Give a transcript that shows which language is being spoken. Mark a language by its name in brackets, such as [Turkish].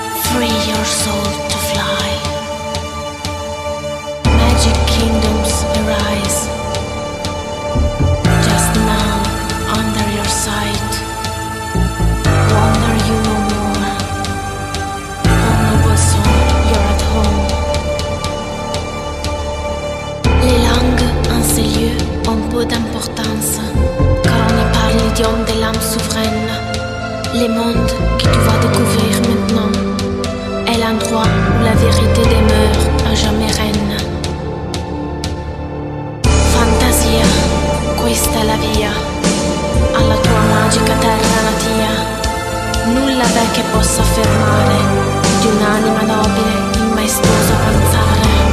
[English] Free your soul to fly. Magic kingdoms arise. Just now, under your sight. Wander you no more. O noble soul, you're at home. [French] Les langues en ces lieux ont peu d'importance. Quand on y parle l'idiome de l'âme souveraine, les mondes que tu vas découvrir maintenant. L'endroit où la vérité demeure à jamais reine. [Italian] Fantasia, questa la via, alla tua magica terra natia. Nulla v'è che possa fermare di un'anima nobile in maestoso avanzare.